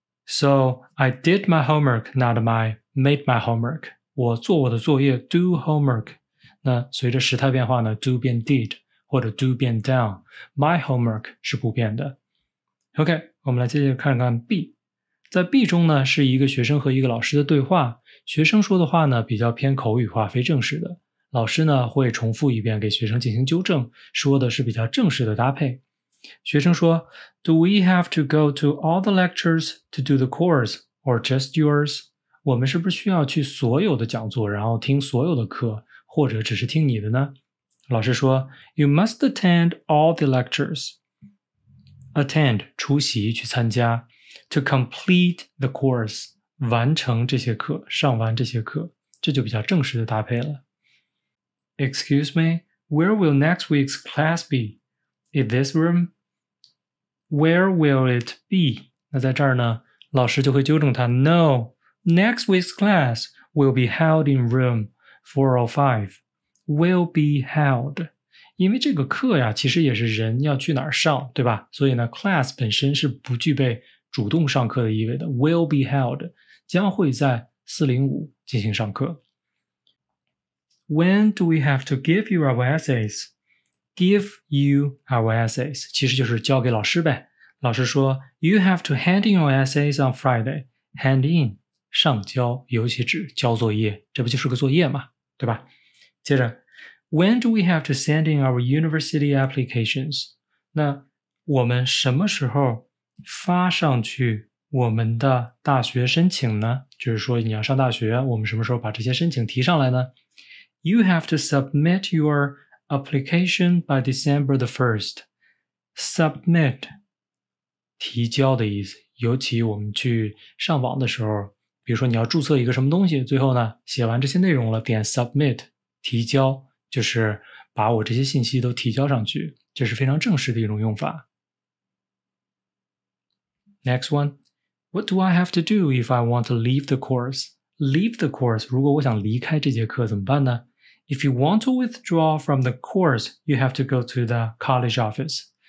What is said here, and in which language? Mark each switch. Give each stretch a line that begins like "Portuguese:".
English: So I did my homework， not my made my homework，
Chinese: 我做我的作业，
English: do homework，
Chinese: 那随着时态变化呢，
English: do 变 did 或者 do 变 done， my homework
Chinese: 是不变的。 OK， 我们来接着看看 B。在 B 中呢，是一个学生和一个老师的对话，学生说的话呢比较偏口语化，非正式的，老师呢会重复一遍给学生进行纠正，说的是比较正式的搭配。学生说
English: Do we have to go to all the lectures to do the course or just yours?
Chinese: 我们是不是需要去所有的讲座然后听所有的课，或者只是听你的呢？老师说
English: You must attend all the lectures.
Chinese: Attend 出席去参加，
English: To complete the course
Chinese: 完成这些课，上完这些课，这就比较正式的搭配了。
English: Excuse me, where will next week's class be? In this room, where will it be?
Chinese: 那在这儿呢，老师就会纠正他。
English: No, next week's class will be held in room 405. Will be held.
Chinese: 因为这个课呀，其实也是人要去哪儿上，对吧？所以呢 ,class 本身是不具备主动上课的意味的。
English: Will be held.
Chinese: 将会在405进行上课。
English: When do we have to give you our essays? Give you our essays,
Chinese: 其实就是交给老师呗。老师说
English: ,You have to hand in your essays on Friday.
Chinese: Hand in, 上交，尤其指交作业，这不就是个作业吗？对吧？接着
English: ,When do we have to send in our university applications?
Chinese: 那我们什么时候发上去我们的大学申请呢？就是说你要上大学，我们什么时候把这些申请提上来呢？
English: You have to submit your... Application by December the 1st. Submit.
Chinese: 提交的意思，尤其我们去上网的时候，比如说你要注册一个什么东西，最后呢，写完这些内容了，点 Submit. 提交，就是把我这些信息都提交上去，这是非常正式的一种用法。
English: Next one. What do I have to do if I want to leave the course? Leave the course.
Chinese: 如果我想离开这节课怎么办呢？
English: If you want to withdraw from the course, you have to go to the college office.